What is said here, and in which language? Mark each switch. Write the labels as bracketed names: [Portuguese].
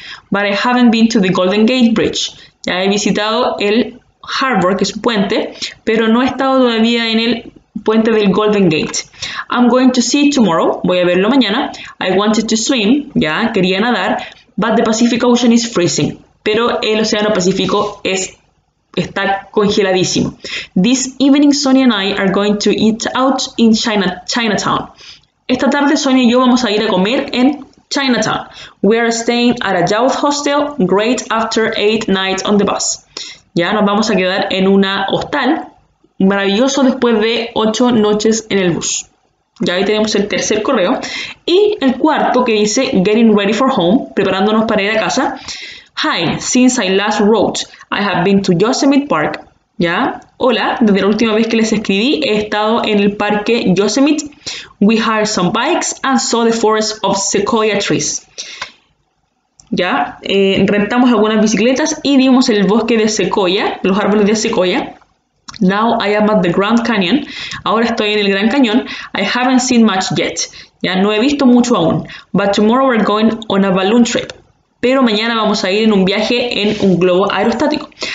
[English] But I haven't been to the Golden Gate Bridge. [Spanish] Ya he visitado el Harbor, que es un puente, pero no he estado todavía en el puente del Golden Gate. [English] I'm going to see tomorrow, [Spanish] voy a verlo mañana. [English] I wanted to swim, [Spanish] ya, quería nadar, [English] but the Pacific Ocean is freezing. [Spanish] Pero el Océano Pacífico está congeladísimo. [English] This evening, Sonia and I are going to eat out in Chinatown. [Spanish] Esta tarde, Sonia y yo vamos a ir a comer en Chinatown. [English] We are staying at a youth hostel, great after 8 nights on the bus. [Spanish] Ya nos vamos a quedar en una hostal, maravilloso después de 8 noches en el bus. Ya ahí tenemos el tercer correo. Y el cuarto que dice, [English] getting ready for home, [Spanish] preparándonos para ir a casa. [English] Hi, since I last wrote, I have been to Yosemite Park. [Spanish] Ya, hola, desde la última vez que les escribí, he estado en el parque Yosemite. [English] We hired some bikes and saw the forest of sequoia trees. [Spanish] Ya, rentamos algunas bicicletas y vimos el bosque de secoya, los árboles de secoya. [English] Now I am at the Grand Canyon. [Spanish] Ahora estoy en el Gran Cañón. [English] I haven't seen much yet. [Spanish] Ya, no he visto mucho aún. [English] But tomorrow we're going on a balloon trip. [Spanish] Pero mañana vamos a ir en un viaje en un globo aerostático.